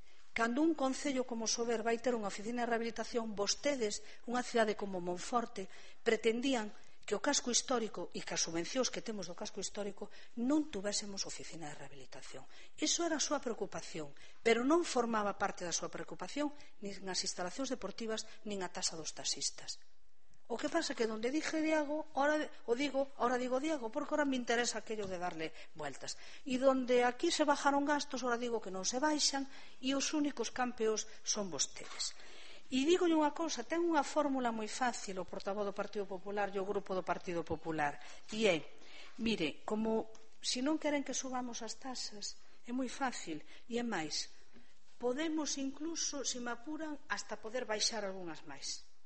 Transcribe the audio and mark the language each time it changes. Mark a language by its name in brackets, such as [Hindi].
[Galician] Cando un concello como Sober vai ter unha oficina de rehabilitación, vostedes, unha cidade como Monforte, pretendían que o casco histórico e que as subvencións que temos do casco histórico non tuvésemos oficina de rehabilitación. Eso era a súa preocupación, pero non formaba parte da súa preocupación nin as instalacións deportivas nin a tasa dos taxistas. O que pasa [Spanish] que donde dije Diego, ahora o digo, ahora digo Diego, porque ahora me interesa aquello de darle vueltas. E donde aquí se bajaron gastos, [Galician] ahora digo que non se baixan e os únicos campeos son vostedes. E digo unha cousa, ten unha fórmula moi fácil o portavoz do Partido Popular e o grupo do Partido Popular, e é, mire, como se non queren que subamos as tasas, é moi fácil, e é máis, podemos incluso, se me apuran, hasta poder baixar algunhas máis.